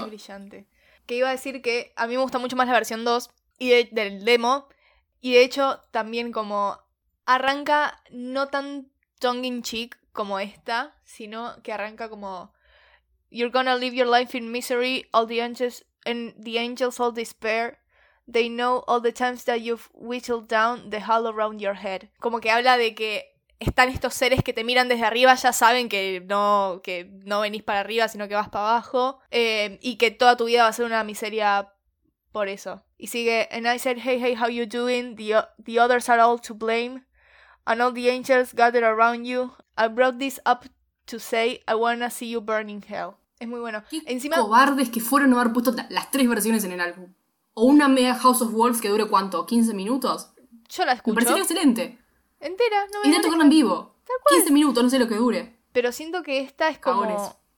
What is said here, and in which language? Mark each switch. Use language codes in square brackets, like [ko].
[es] Es brillante. Que iba a decir que a mí me gusta mucho más la versión 2 y del demo, y de hecho también como arranca no tan [en] tongue in cheek [es] como esta, sino que arranca como [en] you're gonna live your life in misery, all the angels and the angels all despair, they know all the times that you've whittled down the hall around your head. [es] Como que habla de que están estos seres que te miran desde arriba, ya saben que no venís para arriba, sino que vas para abajo, y que toda tu vida va a ser una miseria por eso. [en] Y sigue, and I said, hey, hey, how you doing? The others are all to blame, and all the angels gathered around you. I brought this up to say, I wanna see you burn in hell. [es] Es muy bueno. Qué encima, cobardes que fueron a haber puesto las tres versiones en el álbum. O una mega House of Wolves que dure, ¿cuánto? ¿15 minutos? Yo la escucho. Me pareció excelente. Entera, no me y de tocarla en vivo. 15 minutos, no sé lo que dure. Pero siento que esta es como cabones.